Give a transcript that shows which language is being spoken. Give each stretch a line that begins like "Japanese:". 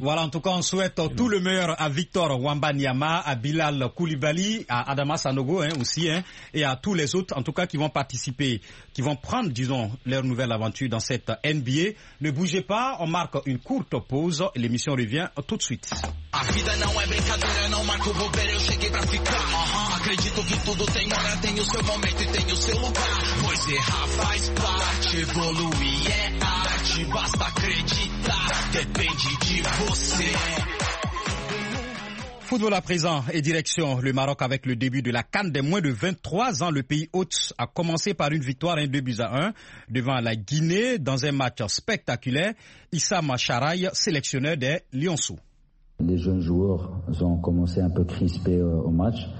French: Voilà, en tout cas, on souhaite tout le meilleur à Victor Wembanyama, à Bilal Koulibaly, à Adama Sanogo et à tous les autres, en tout cas, qui vont participer, qui vont prendre, disons, leur nouvelle aventure dans cette NBA. Ne bougez pas, on marque une courte pause et l'émission revient tout de suite.
Portuguese: Acredito que tudo tem hora, tem o seu momento e tem o seu lugar. Pois errar faz parte, evoluir é arte. Basta acreditar, depende de você.
French: Football à présent et direction le Maroc avec le début de la CAN des moins de 23 ans. Le pays hôte a commencé par une victoire 2-1 devant la Guinée dans un match spectaculaire. Issam Charaï, sélectionneur des Lionceaux. Les jeunes joueurs ont commencé un peu crispés au match.